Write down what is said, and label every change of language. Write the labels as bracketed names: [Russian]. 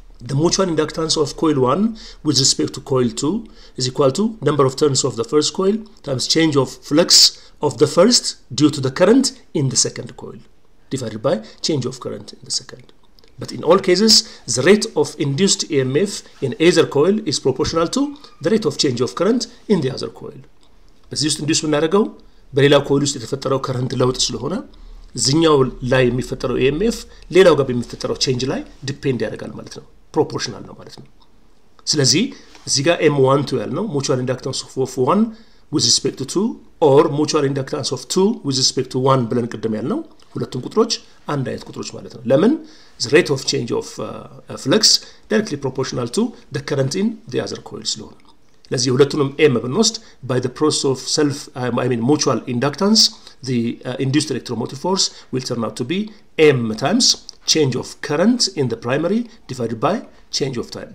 [English] The mutual inductance of coil 1 with respect to coil 2 is equal to number of turns of the first coil times change of flux of the first due to the current in the second coil divided by change of current in the second. But in all cases, the rate of induced EMF in either coil is proportional to the rate of change of current in the other coil. [Amharic] በዚህ ውስጥ እንዲሁስ ምናደርገው በሌላው ኮይል ውስጥ የተፈጠረው ከረንት ለውጥ ስለሆነ እዚኛው ላይ የሚፈጠረው EMF ሌላው ጋር የሚፈጠረው ቼንጅ ላይ ዲፔንድ ያደርጋል ማለት ነው። ፕሮፖርሽናል ነው ማለት ነው። ስለዚህ እዚህ ጋር M1 to L ነው ሙቹዋል ኢንዳክታንስ ኦፍ 1 [English] with respect to 2 or mutual inductance of 2 with respect to 1 [Amharic] ብለን ቀደም ያልነው ሁለቱም ቁጥሮች አንድ አይነት ቁጥሮች ማለት ነው። ለምን? [English] The rate of change of flux directly proportional to the current in the other coil [Amharic] ስለሆነ ለዚህ ሁለቱንም ኤም ብንወስድ [English] by the process of self mutual inductance the induced electromotive force will turn out to be m times change of current in the primary divided by change of time.